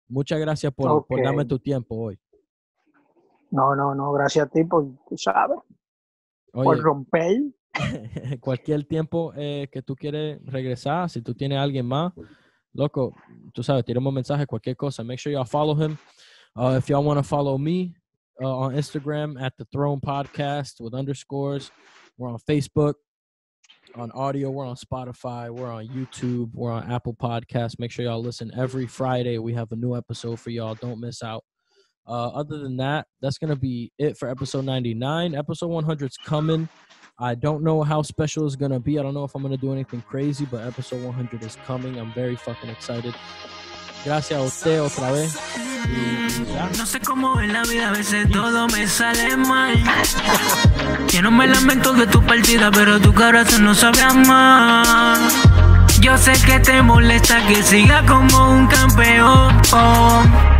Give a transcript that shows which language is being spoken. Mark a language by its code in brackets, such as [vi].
[es] Muchas gracias por darme tu tiempo hoy. No, gracias a ti por romper. Cualquier tiempo que tú quieres regresar, si tú tienes a alguien más, loco, tú sabes, tiremos mensaje, cualquier cosa. [en] Make sure y'all follow him. If y'all want to follow me on Instagram at The Throne Podcast with underscores, we're on Facebook, on audio, we're on Spotify, we're on YouTube, we're on Apple Podcasts. Make sure y'all listen every Friday. We have a new episode for y'all. Don't miss out. Other than that, that's going to be it for episode 99. Episode 100 is coming. I don't know how special it's going to be. I don't know if I'm going to do anything crazy, but episode 100 is coming. I'm very fucking excited. [es] Gracias a usted otra vez. No sé cómo es la vida, a veces todo me sale mal. Yo no me lamento de tu partida, pero tu cara se no sabe amar. Yo sé que te molesta que siga como un campeón.